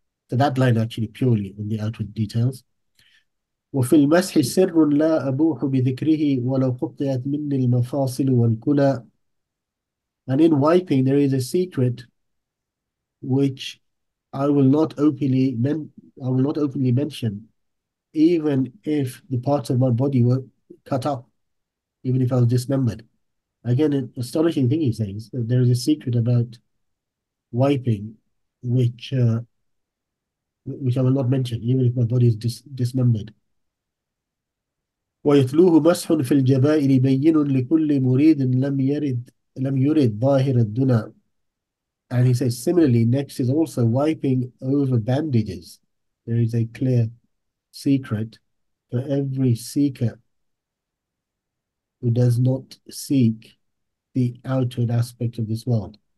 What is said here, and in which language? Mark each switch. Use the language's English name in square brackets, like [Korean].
[English] So that line actually purely in the outward details. [Arabic] وفي المسح سر لا أبوح بذكره ولو قطعت مني المفاصل والكلى. [English] And in wiping, there is a secret which I will not openly mention, even if the parts of my body were cut up, even if I was dismembered. Again, an astonishing thing he says, that there is a secret about wiping which I will not mention, even if my body is dismembered. [Arabic] ويتلوه مسح في الجبائر بين لكل مريد لم يرد ظاهر الدنا. [English] And he says similarly, next is also wiping over bandages. There is a clear secret for every seeker who does not seek the outward aspect of this world.